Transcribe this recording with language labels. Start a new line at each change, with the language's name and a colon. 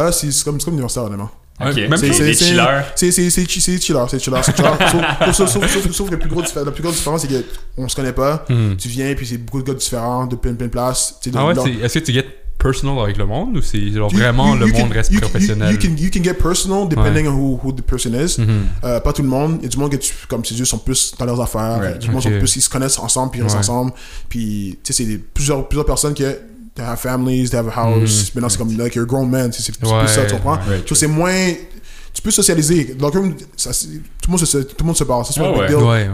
French: C'est comme universitaire vraiment. C'est chiller, sauf que la plus grosse différence c'est qu'on se connaît pas. Tu viens puis c'est beaucoup de gars différents de plein places. Est-ce que tu
English: get personal
French: avec le monde ou c'est genre vraiment le monde reste professionnel?
English: You can get personal depending on who the person is.
French: Pas tout le monde, il y a du monde que tu comme ces yeux sont plus dans leurs affaires. Ils se connaissent ensemble puis ils restent ensemble, puis tu sais c'est plusieurs personnes qui
English: they have families, they have a house.
French: Maintenant c'est comme
English: like you're a grown man,
French: c'est plus ça, tu comprends? C'est moins, tu peux socialiser. Donc tout le monde se parle, ça c'est pas un big deal.